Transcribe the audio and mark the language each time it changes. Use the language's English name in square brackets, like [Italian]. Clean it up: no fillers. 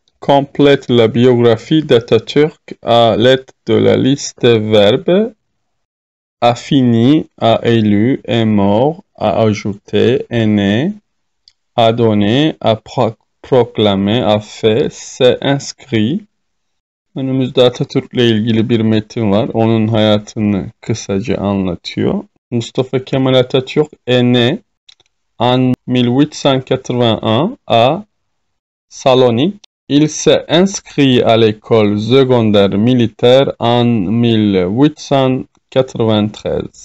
[French] Complète la biographie d'Atatürk à l'aide de la liste verbe a fini, a élu, est mort, a ajouté, est né, a donné, a proclamé, a fait, s'est inscrit. [Turkish] Önümüzde Atatürk ile ilgili bir metin var. Onun hayatını kısaca anlatıyor. [French] Mustafa Kemal Atatürk est né en 1881 à Salonique. Il s'est inscrit à l'école secondaire militaire en 1893.